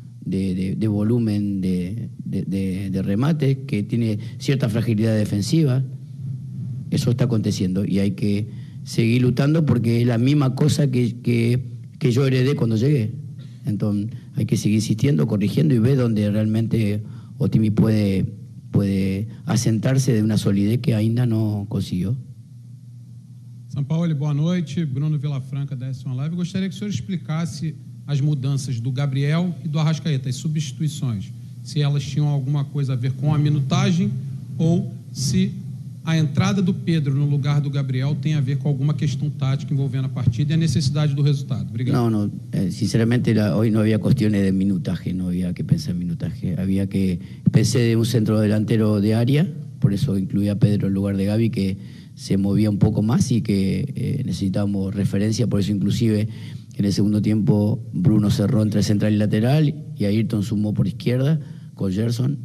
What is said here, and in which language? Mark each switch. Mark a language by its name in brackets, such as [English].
[Spanish] De volumen de remates, que tiene cierta fragilidad defensiva, eso está aconteciendo y hay que seguir luchando porque es la misma cosa que yo heredé cuando llegué. Entonces hay que seguir insistiendo, corrigiendo y ver dónde realmente Otimi puede asentarse de una solidez que ainda no consiguió. [Portuguese] Sampaoli, boa noite. Bruno Vilafranca, da S1 Live. Gostaria que o senhor explicasse as mudanças do Gabriel e do Arrascaeta, as substituições, se elas tinham alguma coisa a ver com a minutagem ou se a entrada do Pedro no lugar do Gabriel tem a ver com alguma questão tática envolvendo a partida e a necessidade do resultado. Obrigado. [Spanish] No, no, sinceramente, hoy no había cuestiones de minutaje, no había que pensar en minutaje. Había que pensar de un centro delantero de área, por eso incluía a Pedro en lugar de Gaby, que se movía un poco más y que necesitábamos referencia, por eso inclusive. En el segundo tiempo, Bruno cerró entre central y lateral y Ayrton sumó por izquierda con Gerson.